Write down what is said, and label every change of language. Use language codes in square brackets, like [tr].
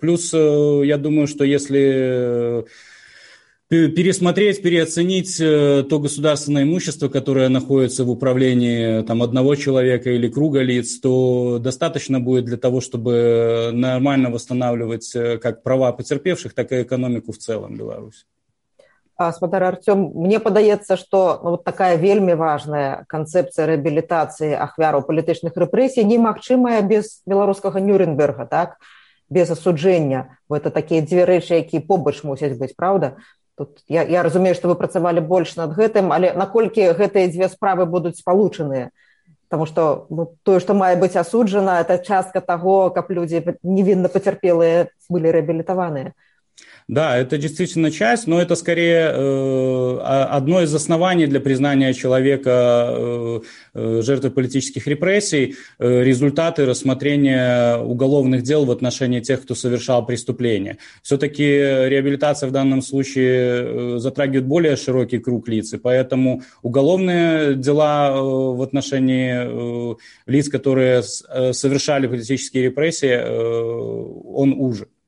[ru] Плюс, я думаю, что если пересмотреть, переоценить то государственное имущество, которое находится в управлении там, одного человека или круга лиц, то достаточно будет для того, чтобы нормально восстанавливать как права потерпевших, так и экономику в целом Беларуси. [be] Спадар Артём, мне падаецца, што вот такая вельмі важная канцэпцыя рэабілітацыі ахвяраў палітычных рэпрэсій немагчымая без беларускага Нюрнберга, так? Без асуджэння. Гэта такія дзве рэчы, якія побач мусяць быць, праўда? Тут я разумею, што вы працавалі больш над гэтым, але наколькі гэтыя дзве справы будуць спалучаныя? Таму што тое, што мае быць асуджана, это частка таго, каб людзі невінна пацярпелыя былі рэабілітаваныя. [ru] Да, это действительно часть, но это скорее одно из оснований для признания человека жертвой политических репрессий, результаты рассмотрения уголовных дел в отношении тех, кто совершал преступление. Все-таки реабилитация в данном случае затрагивает более широкий круг лиц, и поэтому уголовные дела в отношении лиц, которые совершали политические репрессии, он уже.